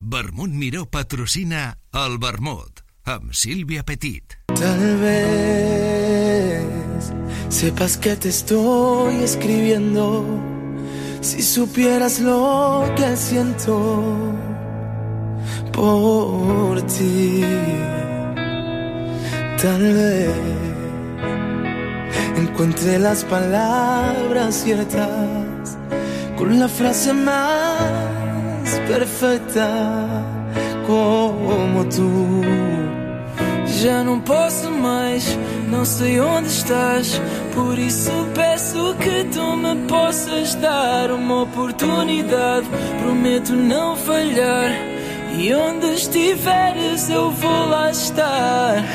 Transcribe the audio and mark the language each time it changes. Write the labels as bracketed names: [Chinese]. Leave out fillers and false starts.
[Catalan] Vermut Miró patrocina el Vermut amb Sílvia Petit. [Spanish] Tal vez sepas que te estoy escribiendo. Si supieras lo que siento por ti, tal vez encuentre las palabras ciertas con la frase más perfecta como tú. [Portuguese] Já não posso mais, não sei onde estás. Por isso peço que tu me possas dar uma oportunidade. Prometo não falhar, e onde estiveres eu vou lá estar.